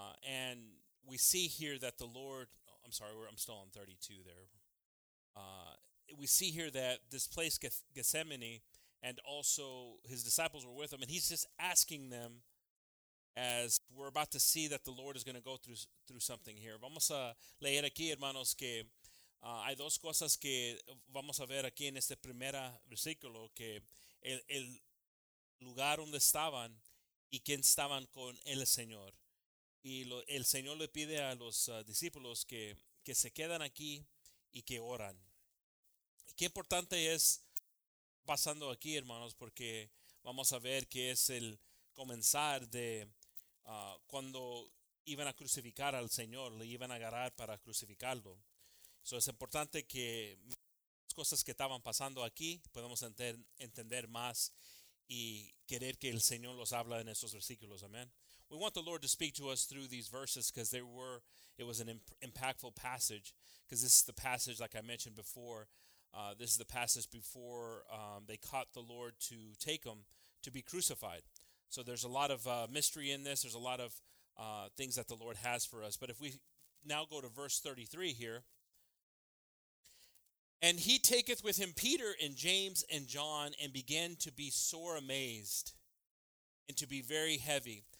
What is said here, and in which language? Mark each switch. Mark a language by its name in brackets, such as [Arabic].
[English] And we see here that the Lord, I'm still on 32 there. We see here that this place, Gethsemane, and also His disciples were with Him, and He's just asking them, as we're about to see that the Lord is going to go through something here. [Spanish] Vamos a leer aquí, hermanos, que hay dos cosas que vamos a ver aquí en este primer versículo, que el lugar donde estaban y quién estaban con el Señor. Y el Señor le pide a los discípulos que se quedan aquí y que oran. Y qué importante es pasando aquí, hermanos, porque vamos a ver que es el comenzar de cuando iban a crucificar al Señor, le iban a agarrar para crucificarlo. So es importante que las cosas que estaban pasando aquí podemos entender más y querer que el Señor los habla en estos versículos. Amén. [English] we want the Lord to speak to us through these verses because they were, it was an impactful passage, because this is the passage, like I mentioned before, this is the passage before they caught the Lord to take him to be crucified. So there's a lot of mystery in this. There's a lot of things that the Lord has for us. But if we now go to verse 33 here, "And he taketh with him Peter and James and John, and began to be sore amazed and to be very heavy."